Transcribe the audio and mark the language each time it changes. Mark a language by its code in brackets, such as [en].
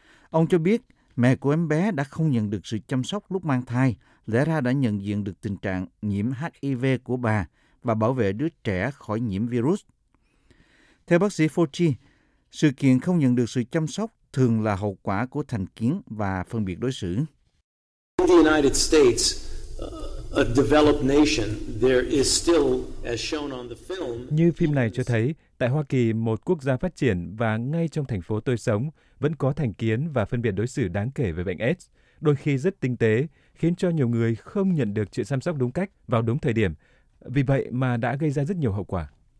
[vi] Ông cho biết mẹ của em bé đã không nhận được sự chăm sóc lúc mang thai, lẽ ra đã nhận diện được tình trạng nhiễm HIV của bà và bảo vệ đứa trẻ khỏi nhiễm virus. Theo bác sĩ Fauci, sự kiện không nhận được sự chăm sóc thường là hậu quả của thành kiến và phân biệt đối xử. [en] In the United States, a developed nation, there is still, as shown on the film, [vi] như phim này cho thấy, tại Hoa Kỳ, một quốc gia phát triển và ngay trong thành phố tôi sống, vẫn có thành kiến và phân biệt đối xử đáng kể về bệnh AIDS, đôi khi rất tinh tế, khiến cho nhiều người không nhận được sự chăm sóc đúng cách vào đúng thời điểm, vì vậy mà đã gây ra rất nhiều hậu quả.